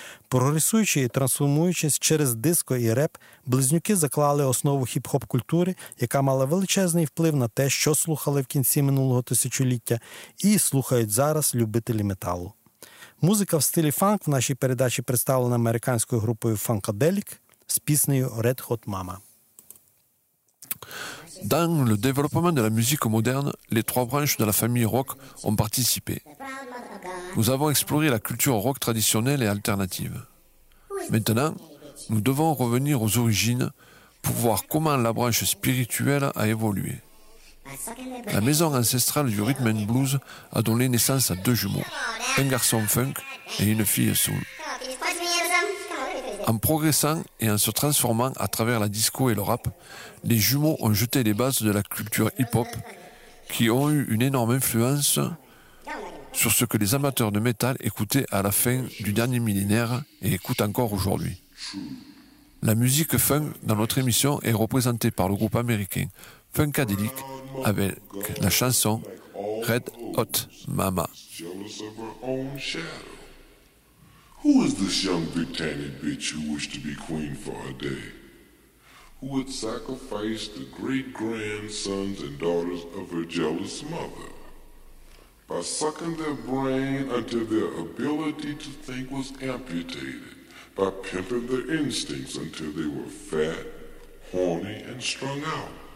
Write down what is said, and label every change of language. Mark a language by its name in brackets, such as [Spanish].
[Ukrainian] Прогресуючи і трансформуючись через диско і реп, близнюки заклали основу хіп-хоп-культури, яка мала величезний вплив на те, що слухали в кінці минулого тисячоліття і слухають зараз любителі металу. Музика в стилі фанк в нашій передачі представлена американською групою «Funkadelic» з піснею «Red Hot Mama». [French] Dans le développement de la musique moderne, les trois branches de la famille rock ont participé. Nous avons exploré la culture rock traditionnelle et alternative. Maintenant, nous devons revenir aux origines pour voir comment la branche spirituelle a évolué. La maison ancestrale du rhythm and blues a donné naissance à deux jumeaux, un garçon funk et une fille soul. En progressant et en se transformant à travers la disco et le rap, les jumeaux ont jeté les bases de la culture hip-hop qui ont eu une énorme influence sur ce que les amateurs de métal écoutaient à la fin du dernier millénaire et écoutent encore aujourd'hui. La musique funk dans notre émission est représentée par le groupe américain Funkadelic avec la chanson Red Hot Mama. [English] Who is this young big tanny bitch who wished to be queen for a day? Who would sacrifice the great-grandsons and daughters of her jealous mother by sucking their brain until their ability to think was amputated, by pimping their instincts until they were fat, horny, and strung out?